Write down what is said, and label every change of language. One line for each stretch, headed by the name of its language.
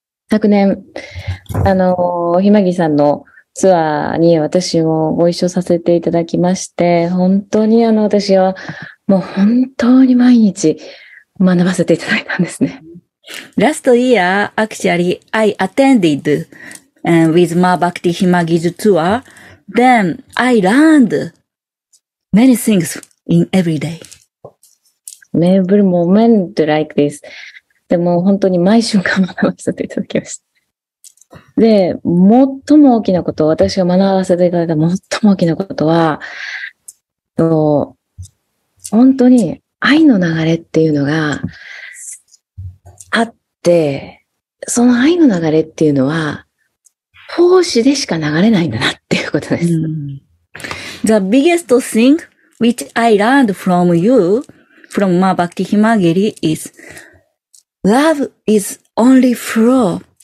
Japanese: 昨年ひまぎさんのツアーに私もご一緒させていただきまして、本当に私はもう本当に毎日学ばせていただいたんですね。
English: Last year, actually, I attended with Ma Bhakti Himagi's tour. Then I learned many things in every day. Every moment like this.
Japanese: でも本当に毎瞬間学ばせていただきました。で、最も大きなこと、私が学ばせていただいた最も大きなことは、本当に愛の流れっていうのがあって、その愛の流れっていうのは、奉仕でしか流れないんだなっていうことです。
English: The biggest thing which I learned from you, from Ma Bhakti Himagiri is, love is only flow.